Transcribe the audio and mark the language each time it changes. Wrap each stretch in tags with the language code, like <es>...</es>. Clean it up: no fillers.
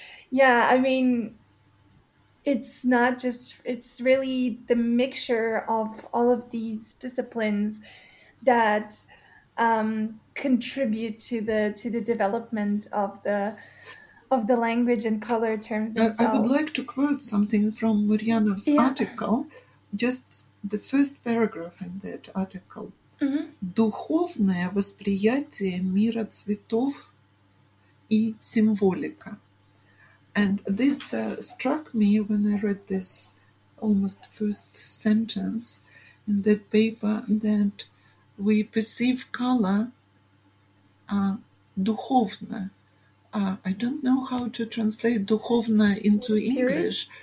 <en>Yeah, I mean, it's not just, it's really the mixture of all of these disciplines that contribute to the development of the language and color terms itself. I would like to quote something from Murianov's article, just the first paragraph in that article.</en> <ru>Духовное восприятие мира цветов и символика.</ru> <en>And this struck me when I read this almost first sentence in that paper, that we perceive color духовно. I don't know how to translate духовно into English.</en>